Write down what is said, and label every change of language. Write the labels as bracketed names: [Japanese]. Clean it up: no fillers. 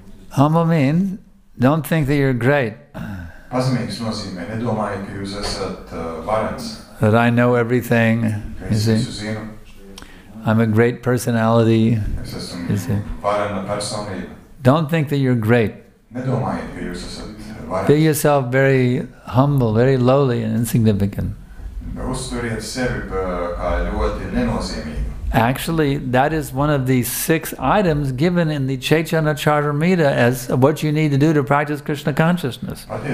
[English] Humble means, don't think that you're great. [Latvian] Pazemīgs nozīmē, nedomāju, ka jūs esat varens. [English] That I know everything, is it? I'm a great personality, is it? [Latvian] Varena personība. [English] Don't think that you're great. [Latvian] Nedomāju, ka jūs esat varens. [English] Feel yourself very humble, very lowly and insignificant. [Latvian] Uzturiet sevi kā ļoti nenozīmīgi. [English] Actually, that is one of the six items given in the Chaitanya Charitamrita as what you need to do to practice Krishna consciousness.